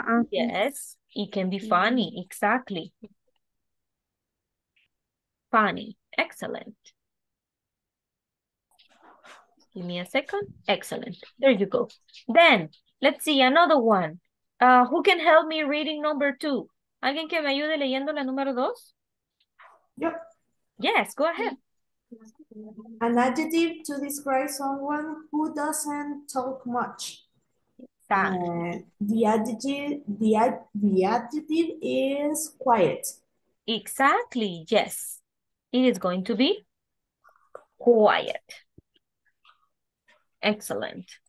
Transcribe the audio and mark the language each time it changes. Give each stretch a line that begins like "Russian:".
English: Yes, it can be funny, exactly. Funny, excellent. Give me a second. Excellent. There you go. Then, let's see another one. Who can help me reading number two?
Spanish: ¿Alguien que me ayude leyendo la número dos?
English: Yep. Yes, go ahead. An adjective to describe someone who doesn't talk much. The adjective is quiet. Exactly, yes. It is going to be quiet. Excellent.